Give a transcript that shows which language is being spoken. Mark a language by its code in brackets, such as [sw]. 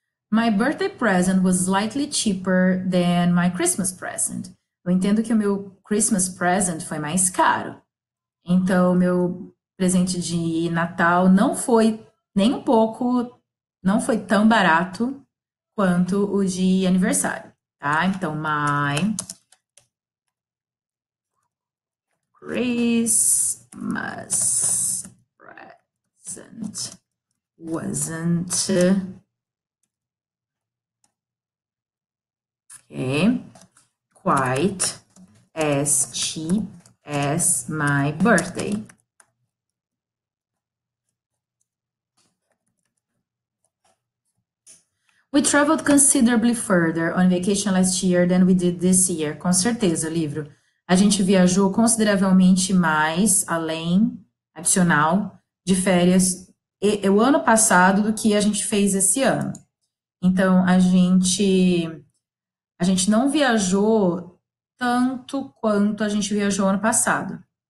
[en] My birthday present was slightly cheaper than my Christmas present. [pt] Eu entendo que o meu [en] Christmas present [pt] foi mais caro. Então, meu presente de Natal não foi nem um pouco, não foi tão barato quanto o de aniversário, tá? Então, [en] my Christmas present wasn't. Okay. Quite as cheap as my birthday. We traveled considerably further on vacation last year than we did this year. [pt] Com certeza, livro. A gente viajou consideravelmente mais, além, adicional, de férias e o ano passado do que a gente fez esse ano. Então, a gente não viajou tanto quanto a gente viajou ano passado.